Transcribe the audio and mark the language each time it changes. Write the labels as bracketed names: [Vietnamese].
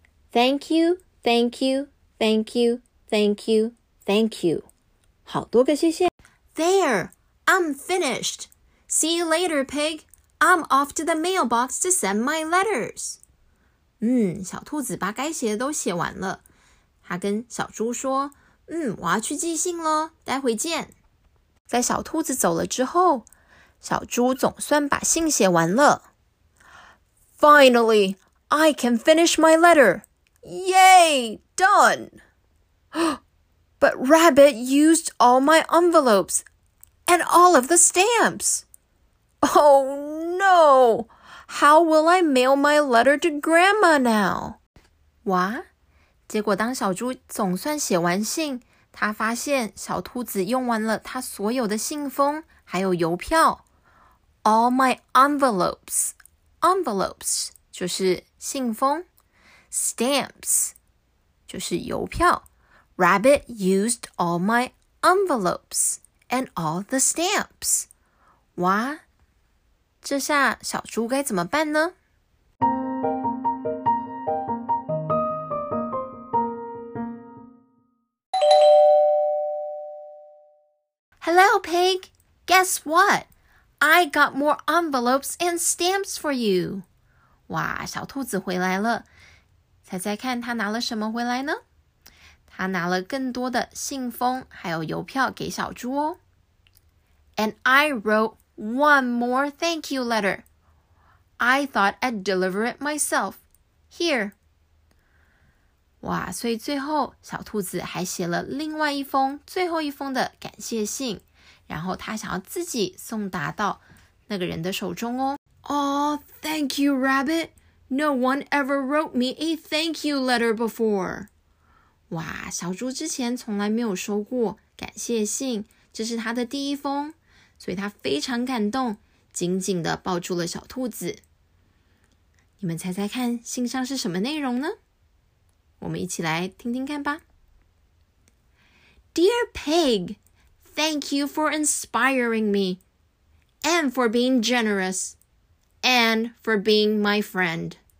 [English] Thank you, thank you, thank you, thank you, thank you. [Chinese] 好多个谢谢。 [English] There, I'm finished. See you later, Pig. I'm off to the mailbox to send my letters. [Chinese] 小兔子把该写的都写完了，他跟小猪说，我要去寄信咯，待会见。在小兔子走了之后，小猪总算把信写完了。 [English] Finally, I can finish my letter. Yay, done. But Rabbit used all my envelopes and all of the stamps. Oh no! How will I mail my letter to Grandma now? [Chinese] 哇，结果当小猪总算写完信，他发现小兔子用完了他所有的信封还有邮票。 [English] All my envelopes. [Chinese] Envelopes 就是信封。 [English] Stamps [Chinese] 就是邮票。 [English] Rabbit used all my envelopes and all the stamps. [Chinese] 哇，这下小猪该怎么办呢？ [English] Hello, Pig. Guess what? I got more envelopes and stamps for you. [Chinese] 哇，小兔子回来了。猜猜看他拿了什么回来呢？他拿了更多的信封还有邮票给小猪哦。 [English] And I wrote... One more thank you letter. I thought I'd deliver it myself. Here. [Chinese] 哇，所以最后小兔子还写了另外一封最后一封的感谢信，然后他想要自己送达到那个人的手中哦。 [English] Oh, thank you, Rabbit. No one ever wrote me a thank you letter before. [Chinese] 哇，小猪之前从来没有收过感谢信，这是他的第一封。所以他非常感动，紧紧地抱住了小兔子。你们猜猜看信上是什么内容呢？我们一起来听听看吧。 [English] Dear Pig, thank you for inspiring me, and for being generous, and for being my friend.